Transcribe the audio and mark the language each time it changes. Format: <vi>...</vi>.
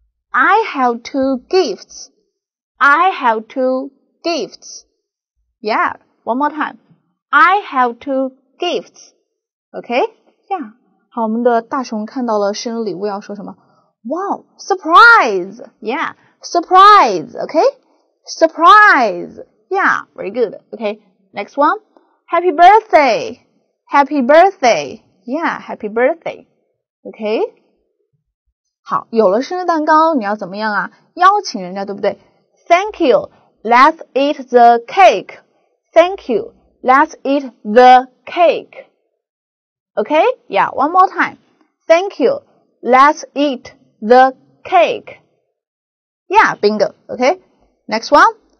<en>I have two gifts. I have two gifts. Yeah, one more time. I have two gifts. Okay, yeah.</en> <zh>好，我们的大熊看到了生日礼物，要说什么 ？</zh> <en>Wow, surprise. Yeah. Surprise, okay? Surprise, yeah, very good, okay? Next one, happy birthday, happy birthday, yeah, happy birthday, okay?</en> <zh>好，有了生日蛋糕，你要怎么样啊？邀请人家，对不对？</zh> <en>Thank you, let's eat the cake. Thank you, let's eat the cake. Okay, yeah, one more time. Thank you, let's eat the cake. Yeah, bingo. Okay. Next one.</en>